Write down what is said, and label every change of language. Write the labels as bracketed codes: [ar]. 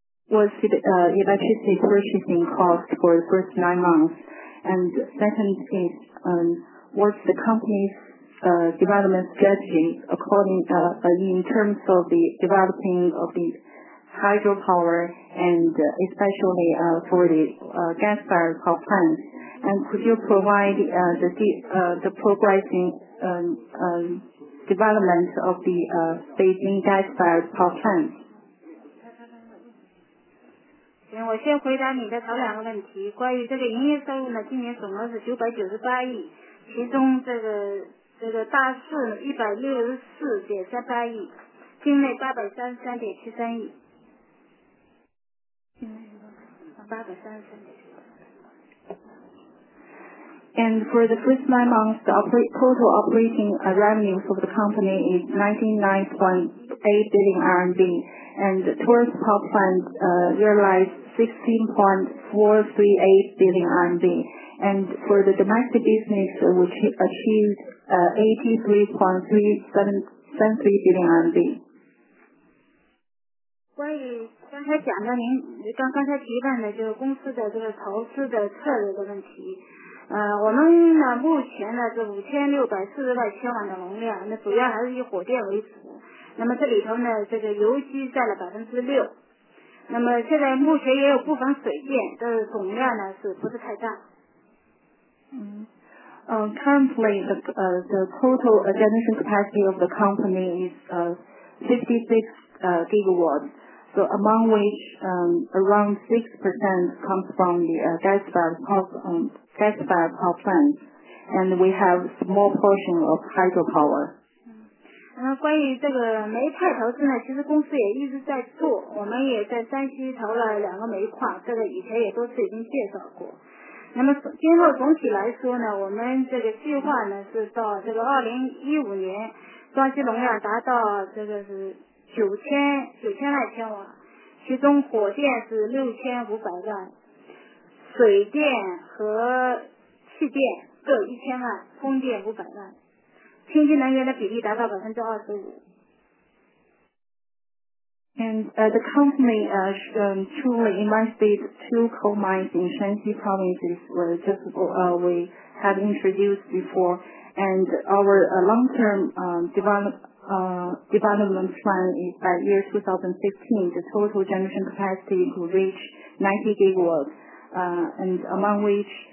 [en] electricity purchasing cost for the first 9 months, and second is what's the company's development strategy according in terms of the developing of the hydropower and especially for the gas-fired power plants, and could you provide the progressing development of the Beijing gas-fired power plants? [zh] 行，我先回答你的头两个问题。关于这个营业收入呢，今年总额是998亿，其中这个大市164.38亿，境内833.73亿。 [en] And for the first 9 months, the total operating revenue for the company is 99.8 billion RMB, and the tourist power plant realized 16.438 billion RMB, and for the domestic business, which achieved 83.373 billion RMB. [zh] 刚才讲的您刚才提问的就是公司的这个投资的策略的问题，我们呢目前呢是5640万千瓦的容量，那主要还是以火电为主，那么这里头呢这个油机占了6%，那么现在目前也有部分水电，这总量呢是不是太大？ [en] Currently the total generation capacity of the company is 56 gigawatts. So among which around 6% comes from the gas-fired power plants, and we have small portion of hydropower. [zh] 关于这个煤炭投资呢，其实公司也一直在做，我们也在山西投了2个煤矿，这个以前也多次已经介绍过。那么今后总体来说呢，我们这个计划呢是到这个2015年，装机容量达到这个是9000万千瓦，其中火电是6500万，水电和气电各1000万，风电500万，清洁能源的比例达到25%。 [en] And the company truly invested 2 coal mines in Shanxi provinces, we have introduced before, and our long-term development plan is by year 2015, the total generation capacity will reach 90 gigawatts, and among which